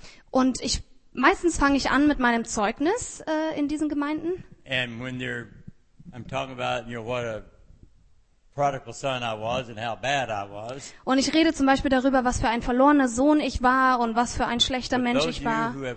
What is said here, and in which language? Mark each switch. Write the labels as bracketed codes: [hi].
[de] Und ich meistens fange ich an mit meinem Zeugnis in diesen Gemeinden. [en] And when they're, I'm talking about, you know, what a prodigal son I was and how bad I was. [de] Und ich rede zum Beispiel darüber, was für ein verlorener Sohn ich war und was für ein schlechter Mensch ich war.